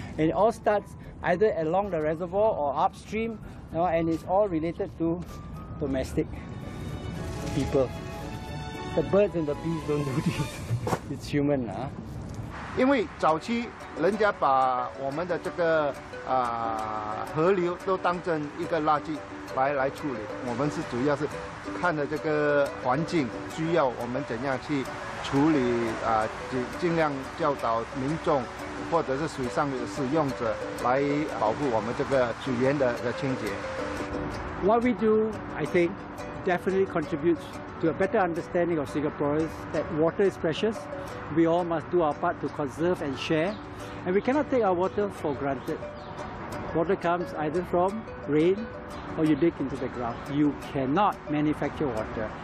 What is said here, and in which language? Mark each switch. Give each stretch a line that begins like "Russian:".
English: And it all starts either along the reservoir or upstream, you know, and it's all related to domestic people. The birds and the bees don't do this. It's human. In the first place, people put our rivers as a garbage.
Chinese: 来处理，我们是主要是看着这个环境需要我们怎样去处理尽量教导民众或者是水上的使用者来保护我们这个水源的清洁。
English: What we do, I think, definitely contributes to a better understanding of Singaporeans that water is precious. We all must do our part to conserve and share, and we cannot take our water for granted. Water comes either from rain. Or you dig into the ground, you cannot manufacture water.